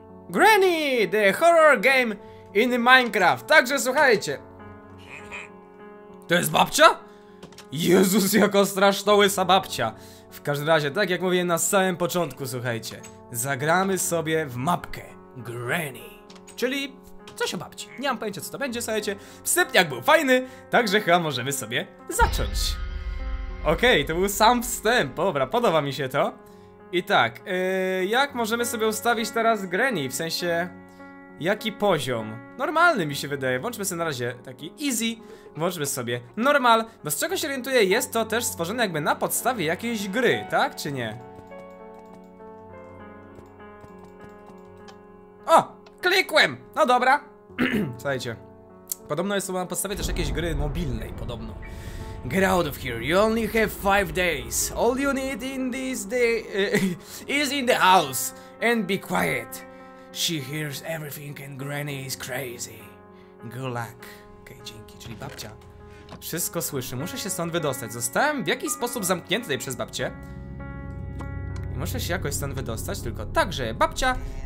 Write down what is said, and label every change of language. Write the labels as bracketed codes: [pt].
[en] Granny, the horror game in Minecraft. [pl] Także słuchajcie. To jest babcia? Jezus, jaka straszna łysa babcia. W każdym razie, tak jak mówiłem na samym początku, słuchajcie. Zagramy sobie w mapkę Granny. Czyli... coś o babci. Nie mam pojęcia, co to będzie, słuchajcie. Wstępniak był fajny, także chyba możemy sobie zacząć. Okej, to był sam wstęp. Dobra, podoba mi się to. I tak, jak możemy sobie ustawić teraz Granny? W sensie, jaki poziom? Normalny mi się wydaje. Włączmy sobie na razie taki easy. Włączmy sobie normal. Bo z czego się orientuję, jest to też stworzone jakby na podstawie jakiejś gry, tak? Czy nie? O! Klikłem! No dobra. Słuchajcie. Podobno jest to na podstawie też jakiejś gry mobilnej, podobno. [en] Get out of here, you only have 5 days. All you need in this day is in the house. And be quiet. She hears everything and Granny is crazy. Good luck. [pl] Okej, dzięki, czyli babcia wszystko słyszy, muszę się stąd wydostać. Zostałem w jakiś sposób zamknięty tutaj przez babcię. Muszę się jakoś stąd wydostać, tylko także babcia.